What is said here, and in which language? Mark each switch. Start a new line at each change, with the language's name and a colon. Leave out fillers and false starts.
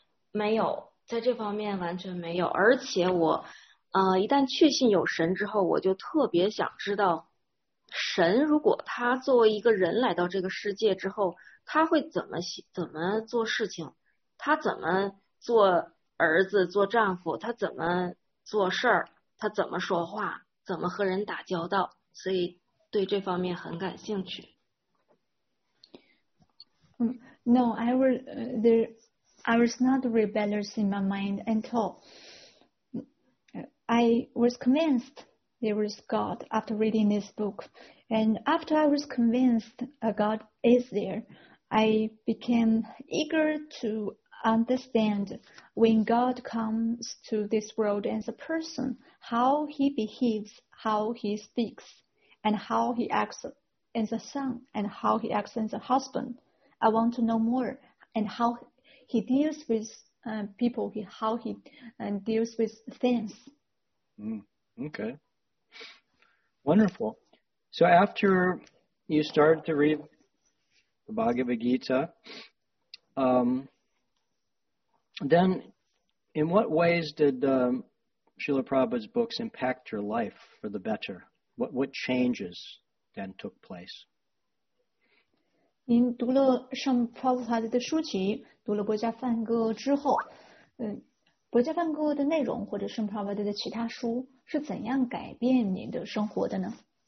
Chinese: 没有，在这方面完全没有。而且我一旦确信有神之后，我就特别想知道神如果他作为一个人来到这个世界之后，他会怎么做事情，他怎么做儿子做丈夫，他怎么做事儿，他怎么说话，怎么和人打交道，所以对这方面很感兴趣。
English: No, I was not rebellious in my mind until I was convinced there was God after reading this book. And after I was convinced God is there, I became eager to understand when God comes to this world as a person, how he behaves, how he speaks, and how he acts as a son, and how he acts as a husband. I want to know more, and how he deals with people, how he deals with things. Okay. Wonderful. So after you started to read the Bhagavad Gita, then in what ways did Srila Prabhupada's books impact your life for the better? What changes then took place?
Chinese: 您读了圣普拉普拉的书籍，读了《博伽梵歌》之后，《博伽梵歌》的内容或者圣普拉普拉的其他书是怎样改变您的生活的呢？